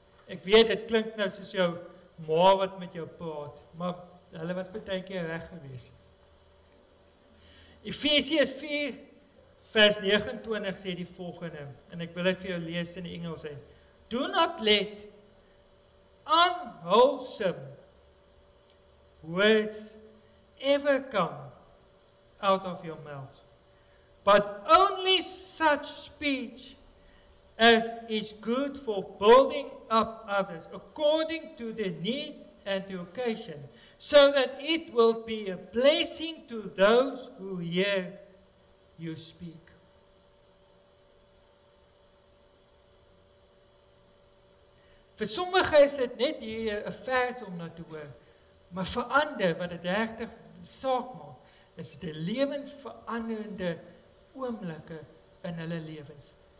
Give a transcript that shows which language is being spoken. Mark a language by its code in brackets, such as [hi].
[af] Ek weet, dit klink nou soos jou ma wat met jou praat, maar hulle was baie keer reg gewees. Efesiërs 4 vers 29 sê die volgende, en ek wil dit vir jou lees in die Engels uit. [en] Do not let unwholesome words ever come out of your mouth, but only such speech as is good for building up others according to the need and the occasion, so that it will be a blessing to those who hear you speak. [af] Vir sommige is dit net hier 'n vers om na te hoor, maar vir ander wat dit regtig saak maak, is dit 'n lewensveranderende oomblikke in hulle lewens.